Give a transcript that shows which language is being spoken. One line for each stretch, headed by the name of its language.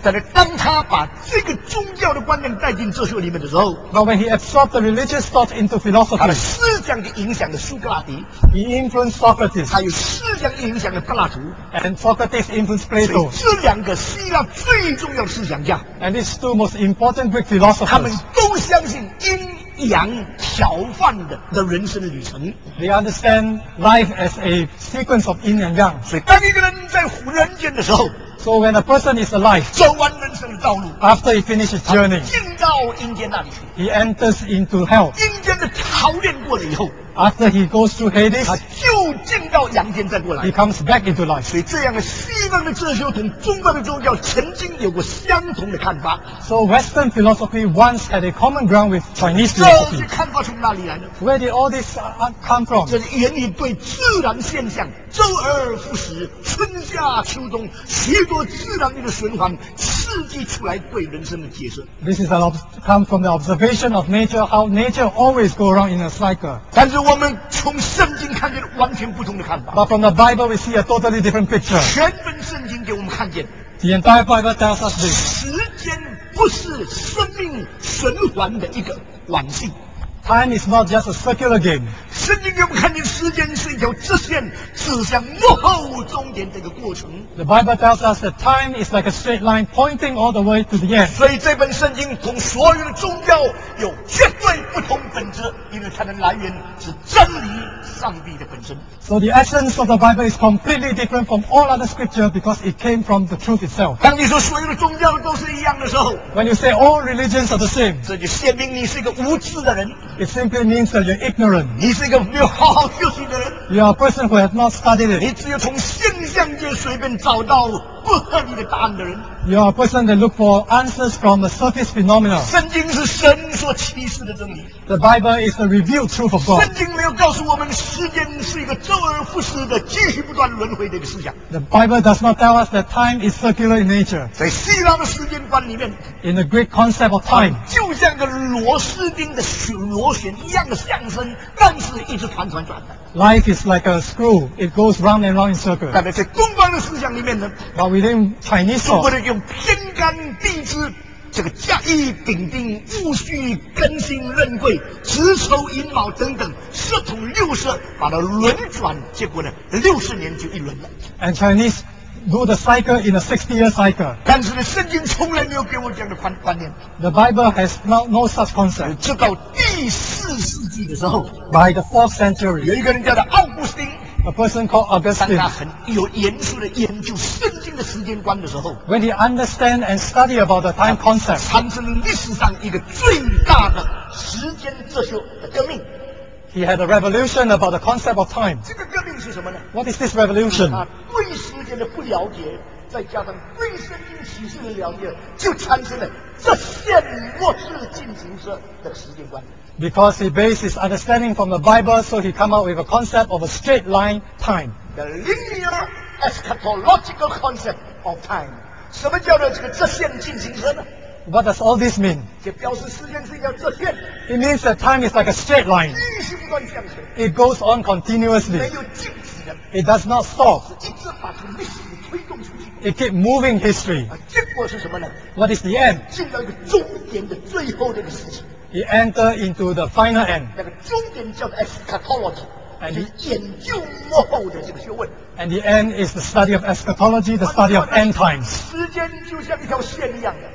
Chinese: 但是当他把这个宗教的观念带进哲学里面的时候
English: ，But when he absorbed the religious thought into philosophy,
Chinese: 他的思想就影响了苏格拉底。
English: He influenced Socrates.
Chinese: 他有思想影响了柏拉图。
English: And Socrates influenced Plato.
Chinese: 这两个希腊最重要的思想家。
English: And these two most important Greek philosophers.
Chinese: 他们都相信因阳调换的人生旅程。
English: They understand life as a sequence of yin and yang.
Chinese: 所以当一个人在人间的时候
English: ，So when a person is alive,
Chinese: 走完人生的道路
English: ，After he finishes journey,
Chinese: 进到阴间那里去
English: ，He enters into hell.
Chinese: 阴间的考验过了以后
English: ，After he goes through Hades,
Chinese: 他就进到阳间再过来
English: ，He comes back into life.
Chinese: 所以这样的西方的哲学同中国的宗教曾经有过相同的看法。
English: So Western philosophy once had a common ground with Chinese philosophy.
Chinese: 这些看法从哪里来呢
English: ？Where did all this come from?
Chinese: 这是源于对自然现象。周而复始，春夏秋冬，许多自然的循环刺激出来对人生的解释。
English: This is come from the observation of nature, how nature always go around in a cycle.
Chinese: 但是我们从圣经看见完全不同的看法。
English: But from the Bible, we see a totally different picture.
Chinese: 全本圣经给我们看见。
English: The entire Bible tells us this.
Chinese: 时间不是生命循环的一个惯性。
English: Time is not just a circular game.
Chinese: 圣经给我们看见时间是一条直线，指向幕后终点这个过程。
English: The Bible tells us that time is like a straight line pointing all the way to the end.
Chinese: 所以这本圣经同所有的宗教有绝对不同本质，因为它的来源是真理，上帝的本身。
English: So the essence of the Bible is completely different from all other scripture because it came from the truth itself.
Chinese: 当你说所有的宗教都是一样的时候
English: ，When you say all religions are the same，
Chinese: 这就显明你是一个无知的人。
English: It simply means that you're ignorant.
Chinese: 你是一个没有好好学习的人。
English: You are a person who has not studied it.
Chinese: 你只有从现象界随便找到不合理的答案的人。
English: You are a person that look for answers from the surface phenomena.
Chinese: 圣经是神所启示的真理。
English: The Bible is the revealed truth of God.
Chinese: 圣经没有告诉我们时间是一个周而复始的继续不断轮回的一个思想。
English: The Bible does not tell us that time is circular in nature.
Chinese: 在希腊的时间观里面
English: ，In the Greek concept of time，
Chinese: 就像个螺丝钉的螺旋一样的相声，但是一直团团转的。
English: Life is like a screw; it goes round and round in circles.
Chinese: 但在东方的思想里面呢
English: ，But within Chinese thought，
Chinese: 中国人用天干地支。这个甲乙丙丁戊戌庚辛壬癸子丑寅卯等等四土六色把它轮转，结果呢六十年就一轮了。
English: And Chinese do the cycle in a 60 year cycle.
Chinese: 但是呢圣经从来没有给我这样的观念。
English: The Bible has no such concept.
Chinese: 直到第四世纪的时候
English: By the 4th century
Chinese: 有一个人叫奥古斯丁。
English: A person called Augustine.
Chinese: 当他很有严肃的研究圣经的时间观的时候
English: ，When he understand and study about the time concept，
Chinese: 产生了历史上一个最大的时间哲学的革命。
English: He had a revolution about the concept of time.
Chinese: 这个革命是什么呢
English: ？What is this revolution？
Chinese: 对时间的不了解，再加上对圣经启示的了解，就产生了这线末世进行时的时间观。
English: Because he based his understanding from the Bible, so he come up with a concept of a straight line time. The linear eschatological concept of time.
Chinese: 什么叫做这个直线进行时呢？
English: What does all this mean?
Chinese: 这表示时间是一条直线。
English: It means that time is like a straight line.
Chinese: 一直不断向前。
English: It goes on continuously.
Chinese: 没有静止的。
English: It does not stop.
Chinese: 是一直把这个历史推动出去。
English: It keep moving history.
Chinese: 结果是什么呢？
English: What is the end?
Chinese: 进到一个终点的最后这个事情。
English: He enter into the final end.
Chinese: 那个终点叫 eschatology， 就是研究末后的这个学问。
English: And the end is the study of eschatology, the study of end times.
Chinese: 时间就像一条线一样的。